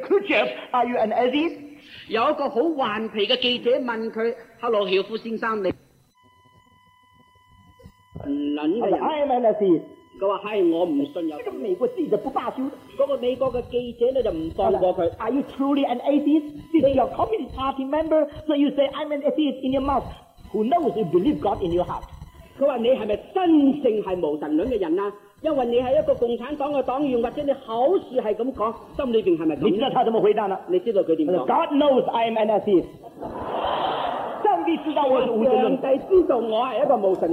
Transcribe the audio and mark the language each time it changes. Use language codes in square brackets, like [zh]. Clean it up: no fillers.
[en] Khrushchev, are you an atheist? [zh] 有一个很顽皮的记者问他，克鲁晓夫先生，你人的人 [en] I'm an atheist, [zh] 他说是我不信有这个美国记者不罢休，那个美国的记者就不放过他。 [en] Are you truly an atheist? Since you're a communist party member, so you say I'm an atheist in your mouth. Who knows you believe God in your heart? [zh] 他说你是不是真正是无神论的人啊？因为你是一个共产党的党员，或者你口是这样说，心里面是不是这样？你知道他怎么回答呢？你知道他怎么说？ [en] God knows I am an atheist. [zh] 上帝知道我是无神论。上帝知道我是一个无神论。